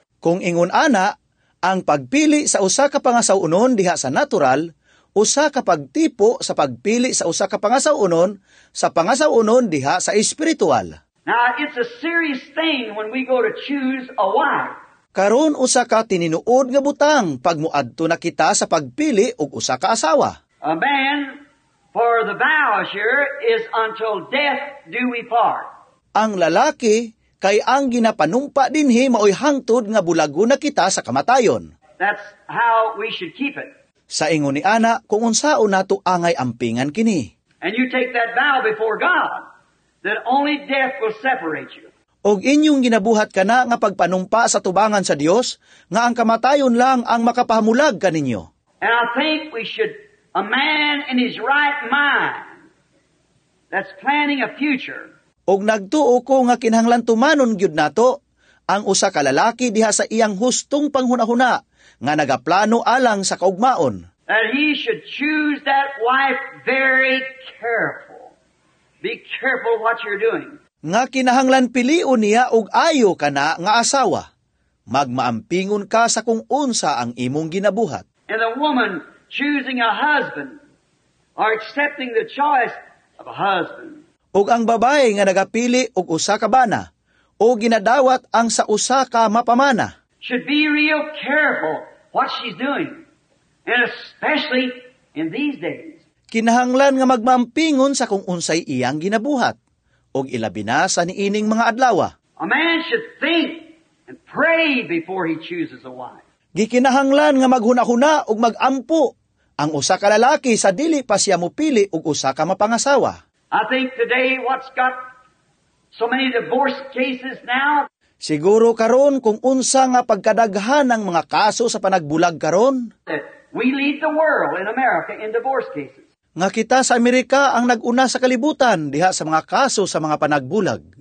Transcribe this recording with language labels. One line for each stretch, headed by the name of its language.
Cebuano: Kung ingon ana, ang pagpili sa usa ka pangasaw-unon diha sa natural, usa ka pagtipo sa pagpili sa usa ka pangasaw-unon sa pangasaw-unon diha sa espiritual.
English: Now, it's a serious thing when we go to choose a wife.
Cebuano: Karon usa ka tininuod nga butang pagmuadto na kita sa pagpili og usa ka asawa.
English: A man for the vows here is until death do we part.
Cebuano: Ang lalaki kay ang ginapanumpa dinhi maoy hangtod nga bulago na kita sa kamatayon.
English: That's how we should keep it.
Cebuano: Sa ingon ni ana, kung unsaon nato angay ampingan kini.
English: And you take that vow before God that only death will separate you.
Cebuano: Og inyong ginabuhat kana nga pagpanumpa sa tubangan sa Dios nga ang kamatayon lang ang makapahamulag kaninyo.
English: And I think we should, a man in his right mind that's planning a future.
Cebuano: Og nagtuo ko nga kinahanglan tumanon gyud nato ang usa ka lalaki diha sa iyang hustong panghunahuna nga nagaplano alang sa kaugmaon.
English: That he should choose that wife very careful. Be careful what you're doing.
Cebuano: Nga kinahanglan piliun niya og ayo kana nga asawa. Magmaampingon ka sa kung unsa ang imong ginabuhat.
English: And the woman choosing a husband or accepting the choice of a husband.
Cebuano: Og ang babae nga nagapili og usa ka bana o ginadawat ang sa usa ka mapamana.
English: Should be real careful what she's doing. And especially in these days.
Cebuano: Kinahanglan nga magmampingon sa kung unsay iyang ginabuhat og ilabina sa niining mga adlawa.
English: A man should think and pray before he chooses a wife.
Cebuano: Gikinahanglan nga maghunahuna og magampo ang usa ka lalaki sa dili pa siya mopili og usa ka mapangasawa.
English: I think today what's got so many divorce cases now.
Cebuano: Siguro karon kung unsa nga pagkadaghan ng mga kaso sa panagbulag karon.
English: We lead the world in America in divorce cases.
Cebuano: Nga kita sa Amerika ang naguna sa kalibutan diha sa mga kaso sa mga panagbulag.